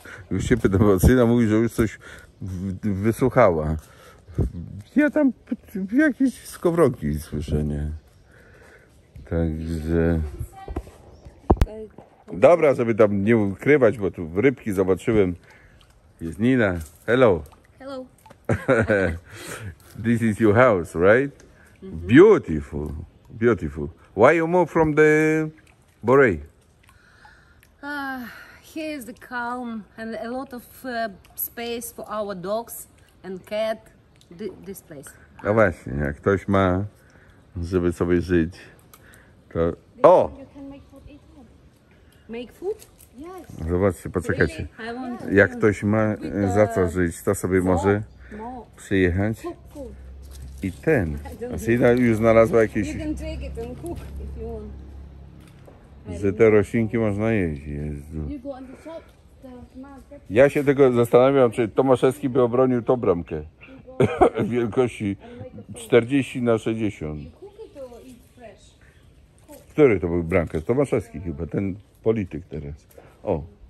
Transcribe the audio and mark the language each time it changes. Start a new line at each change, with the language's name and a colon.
Polish: Już się pyta, bo syna mówi, że już coś wysłuchała. Ja tam jakieś skowronki słyszę, nie? Także... Dobra, żeby tam nie ukrywać, bo tu rybki zobaczyłem. Jest Nina.
English: Hello. Hello. This is your house, right? Mm-hmm. Beautiful. Beautiful. Why you move from the Borei? Here is the calm and a lot of space for our dogs and cat. This place.
Polish: No właśnie, jak ktoś ma, żeby sobie żyć, to... O!
English: You can make food eat here. Make food? Yes.
Polish: Zobaczcie, poczekajcie.
English: Really?
Polish: Jak ktoś ma za co żyć, to sobie może przyjechać. I ten. Asina już znalazła jakieś...
English: You can take it and cook if you want.
Polish: Że te roślinki można jeść. Jezu. You go on the shop. Ja się tego zastanawiam, czy Tomaszewski by obronił tą bramkę. Wielkości 40 na 60. Który to był bramkarz? Tomaszewski chyba, ten polityk teraz. O.